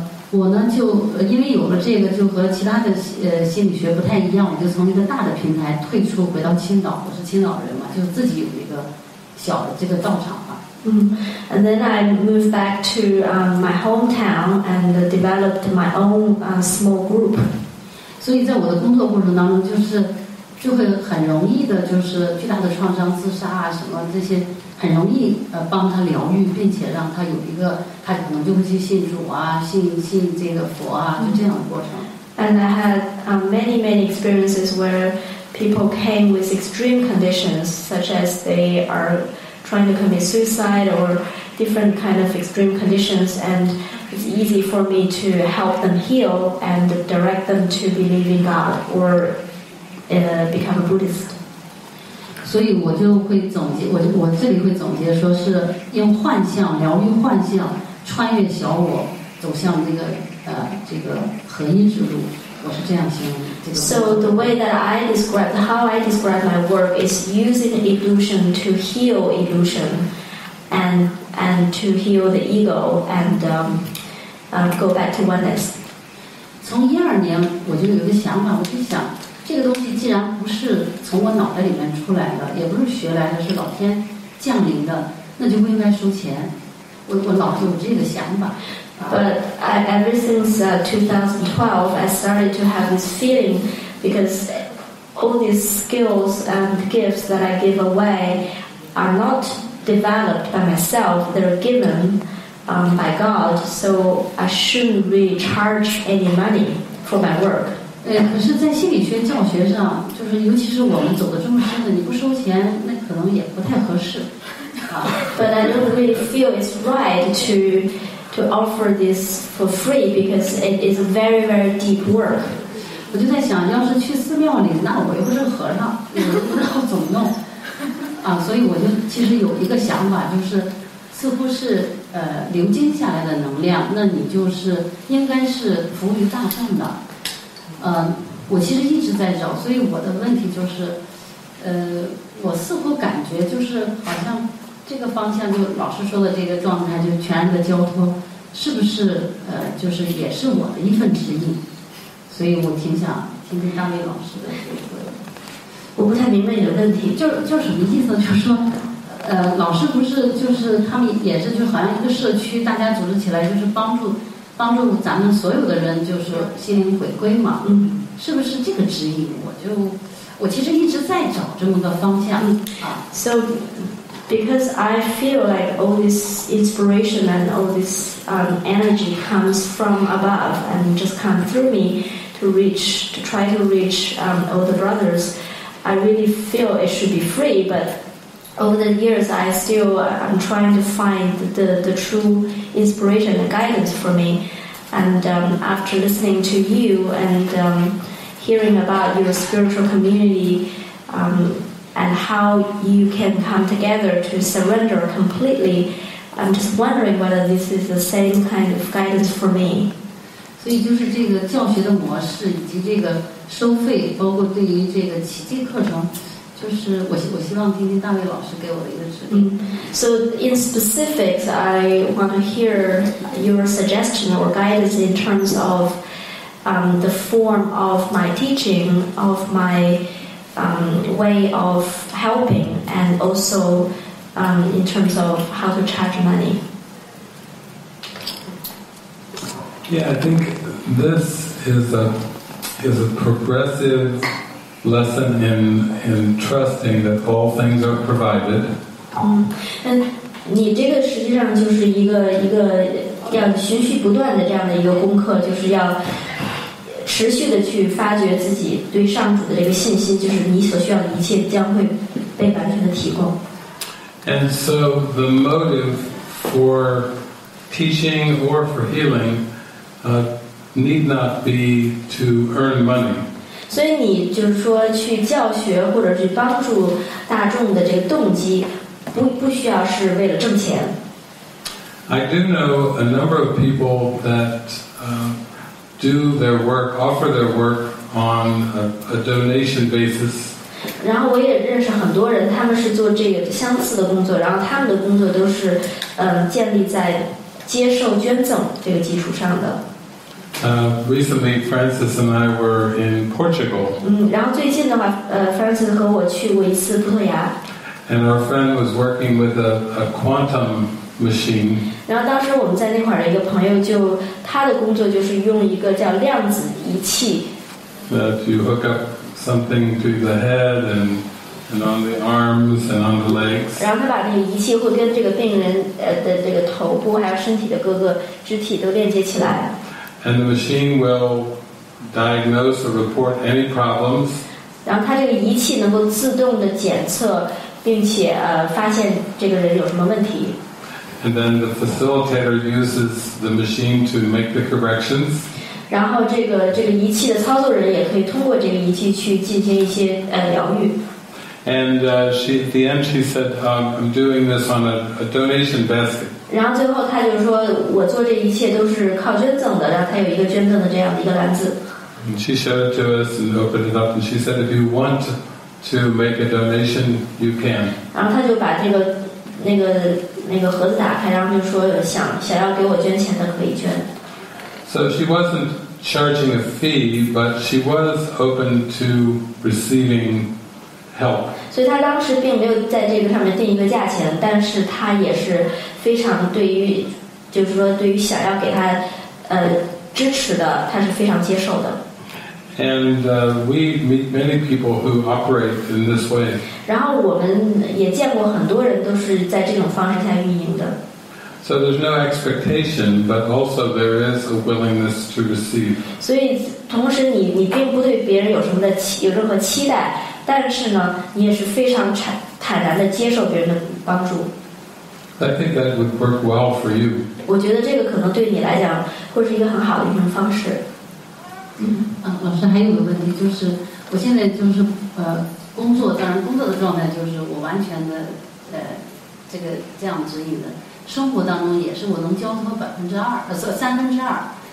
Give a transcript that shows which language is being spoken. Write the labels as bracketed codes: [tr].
[zh] 我呢就因为有了这个就和其他的心理学不太一样，我就从一个大的平台退出回到青岛，我是青岛人嘛，就自己有一个小的这个道场吧。 [en] And then I moved back to my hometown and developed my own small group. [zh] 所以在我的工作过程当中，就会很容易的，就是巨大的创伤、自杀啊什么这些，很容易帮他疗愈，并且让他有一个，他可能就会去信主啊，信这个佛啊，就这样的过程。 [en] And I had many many experiences where people came with extreme conditions, such as they are trying to commit suicide or different kind of extreme conditions, and it's easy for me to help them heal and direct them to believe in God or become a Buddhist. [zh] 所以我就会总结，我这里会总结说是用幻象疗愈幻象，穿越小我，走向那个这个合一之路。我是这样形容这个。 [en] So the way that I describe how I describe my work is using illusion to heal illusion, and to heal the ego and go back to oneness. [zh] 从一二年我就有一个想法，我就想。这个东西既然不是从我脑袋里面出来的，也不是学来的，是老天降临的，那就不应该收钱。我老是有这个想法。 [en] But ever since 2012, I started to have this feeling because all these skills and gifts that I give away are not developed by myself; they're given by God. So I shouldn't really charge any money for my work. [zh] 可是在心理学教学上，就是尤其是我们走得这么深的，你不收钱，那可能也不太合适。 [en] But I don't really feel it's right to offer this for free because it is a very very deep work. [zh] 我就在想，要是去寺庙里，那我又不是和尚，我不知道怎么弄。所以我就其实有一个想法，就是似乎是流经下来的能量，那你就是应该是服务于大众的。我其实一直在找，所以我的问题就是，我似乎感觉就是好像这个方向，就老师说的这个状态，就全然的交托，是不是就是也是我的一份指引？所以我挺想听听大卫老师的这个。我不太明白你的问题，就什么意思？就是说，老师不是就是他们也是就好像一个社区，大家组织起来就是帮助咱们所有的人，就是心灵回归嘛，是不是这个指引？我其实一直在找这么个方向。 [en] So because I feel like all this inspiration and all this energy comes from above and just come through me to try to reach all the brothers, I really feel it should be free. But over the years, I still am trying to find the true inspiration and guidance for me. And after listening to you and hearing about your spiritual community and how you can come together to surrender completely, I'm just wondering whether this is the same kind of guidance for me. [zh] 所以就是这个教学的模式以及这个收费，包括对于这个奇迹课程，就是我希望听听大卫老师给我的一个指引。 [en] So in specifics, I want to hear your suggestion or guidance in terms of the form of my teaching, of my way of helping, and also in terms of how to charge money. Yeah, I think this is a progressive lesson in trusting that all things are provided. [zh] 那你这个实际上就是一个要循序不断的这样的一个功课，就是要持续的去发掘自己对上主的这个信心，就是你所需要的一切将会被完全的提供。 [en] And so the motive for teaching or for healing, need not be to earn money. [zh] 所以你就是说去教学或者去帮助大众的这个动机不需要是为了挣钱。 [en] I do know a number of people that do their work, offer their work on a donation basis. [zh] 然后我也认识很多人，他们是做这个相似的工作，然后他们的工作都是建立在接受捐赠这个基础上的。 [en] Recently, Francis and I were in Portugal. [zh] 然后最近的话，Francis 和我去过一次葡萄牙。 [en] And our friend was working with a quantum machine. [zh] 然后当时我们在那块儿的一个朋友就，他的工作就是用一个叫量子仪器。 [en] That you hook up something to the head and on the arms and on the legs. [zh] 然后他把那个仪器会跟这个病人的这个头部还有身体的各个肢体都链接起来。 [en] And the machine will diagnose or report any problems. [zh] 然后它这个仪器能够自动的检测，并且发现这个人有什么问题。 [en] And then the facilitator uses the machine to make the corrections. [zh] 然后这个仪器的操作人也可以通过这个仪器去进行一些疗愈。 [en] And she, at the end, she said, "I'm doing this on a donation basket." [zh] 然后最后他就说，我做这一切都是靠捐赠的。然后他有一个捐赠的这样的一个篮子。 [en] And she showed it to us and opened it up, and she said, "If you want to make a donation, you can." [zh] 然后他就把这个那个盒子打开，然后就说想要给我捐钱的可以捐。 [en] So she wasn't charging a fee, but she was open to receiving. [zh] 所以他当时并没有在这个上面定一个价钱，但是他也是非常对于，就是说对于想要给他支持的，他是非常接受的。 [en] And we meet many people who operate in this way. [zh] 然后我们也见过很多人都是在这种方式下运营的。 [en] So there's no expectation, but also there is a willingness to receive. [zh] 所以同时你并不对别人有任何期待。但是呢，你也是非常坦然地接受别人的帮助。 [en] I think that would work well for you. [zh] 我觉得这个可能对你来讲会是一个很好的一种方式。老师还有个问题，就是我现在就是工作，当然工作的状态就是我完全的这个这样指引的。生活当中也是我能交通的三分之二。